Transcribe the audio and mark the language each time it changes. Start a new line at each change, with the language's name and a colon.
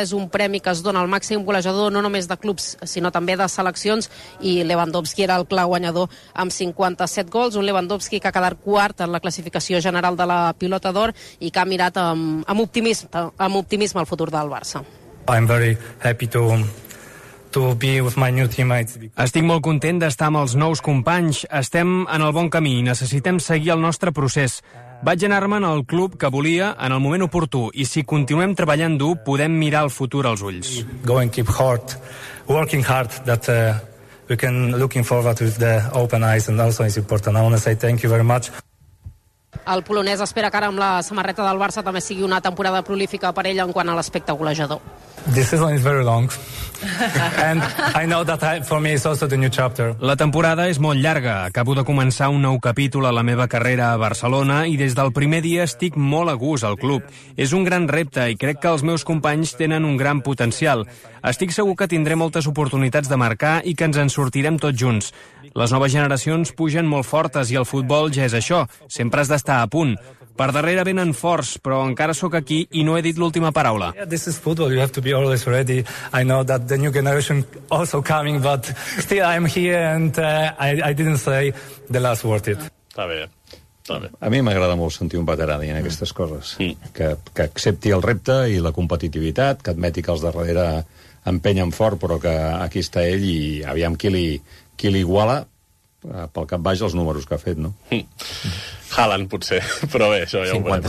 Catalan: És un premi que es dona al màxim golejador no només de clubs, sinó també de seleccions, i Lewandowski era el clar guanyador amb 57 gols. Un Lewandowski que ha quedat quart en la classificació general de la pilota d'or i que ha mirat amb optimisme el futur del Barça.
English: I'm very happy to be with my new teammates.
Catalan: Estic molt content d'estar amb els nous companys. Estem en el bon camí i necessitem seguir el nostre procés. Vaig anar-me en el club que volia en el moment oportú, i si continuem treballant dur, podem mirar el futur als ulls.
English: Go and keep hard, working hard, that we can looking forward with the open eyes, and also it's important. I want to say thank you very much.
Catalan: El polonès espera que ara amb la samarreta del Barça també sigui una temporada prolífica per ell en quant a l'aspecte golejador.
English: This season is very long. And I know that for me it's also the new chapter.
Catalan: La temporada és molt llarga. Acabo de començar un nou capítol a la meva carrera a Barcelona i des del primer dia estic molt a gust al club. És un gran repte i crec que els meus companys tenen un gran potencial. Estic segur que tindré moltes oportunitats de marcar i que ens en sortirem tots junts. Les noves generacions pugen molt fortes i el futbol ja és això. Sempre has d'estar a punt. Per darrere venen forts, però encara sóc aquí i no he dit l'última paraula.
English: Yeah, this is football, you have to be always ready. I know that the new generation also coming, but still I'm here and I didn't say the last word yet.
Catalan: Està bé, està bé. A mi m'agrada molt sentir un veterà dient aquestes coses. Mm. Que accepti el repte i la competitivitat, que admeti que els de darrere empenyen fort, però que aquí està ell i aviam qui li iguala pel cap baix els números que ha fet, no? Haaland, potser, però bé, això ja 57 ho veurem.